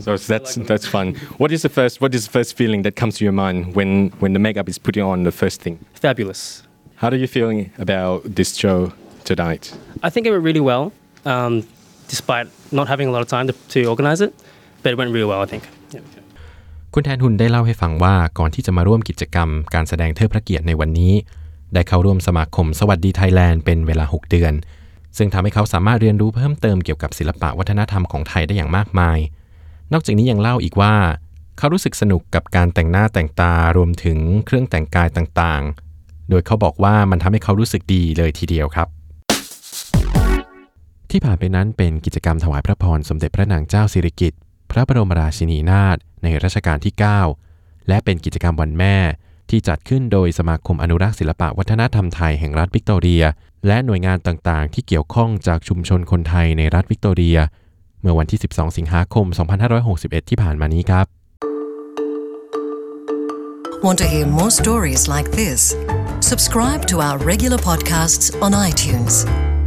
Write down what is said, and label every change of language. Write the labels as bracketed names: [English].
[English] So that's fun. What is the first feeling that comes to your mind when the makeup is putting on the first thing? Fabulous. How are you feeling about this show tonight? I think it went really well, despite not having a lot of time to organize it, but it went really well, I think. Yeah. [Thai] คุณแทนหุ่นได้เล่าให้ฟังว่าก่อนที่จะมาร่วมกิจกรรมการแสดงเทิดพระเกียรติในวันนี้ได้เข้าร่วมสมาคมสวัสดีไทยแลนด์เป็นเวลา6เดือนซึ่งทำให้เขาสามารถเรียนรู้เพิ่มเติมเกี่ยวกับศิลปะวัฒนธรรมของไทยได้อย่างมากมายนอกจากนี้ยังเล่าอีกว่าเขารู้สึกสนุกกับการแต่งหน้าแต่งตารวมถึงเครื่องแต่งกายต่างๆโดยเขาบอกว่ามันทำให้เขารู้สึกดีเลยทีเดียวครับ ที่ผ่านไปนั้นเป็นกิจกรรมถวายพระพรสมเด็จพระนางเจ้าสิริกิติ์พระบรมราชินีนาถในรัชกาลที่9และเป็นกิจกรรมวันแม่ที่จัดขึ้นโดยสมาคมอนุรักษ์ศิลปะวัฒนธรรมไทยแห่งรัฐวิกตอเรียและหน่วยงานต่างๆที่เกี่ยวข้องจากชุมชนคนไทยในรัฐวิกตอเรียเมื่อวันที่12สิงหาคม2561ที่ผ่านมานี้ครับ [English] Want to hear more stories like this? Subscribe to our regular podcasts on iTunes.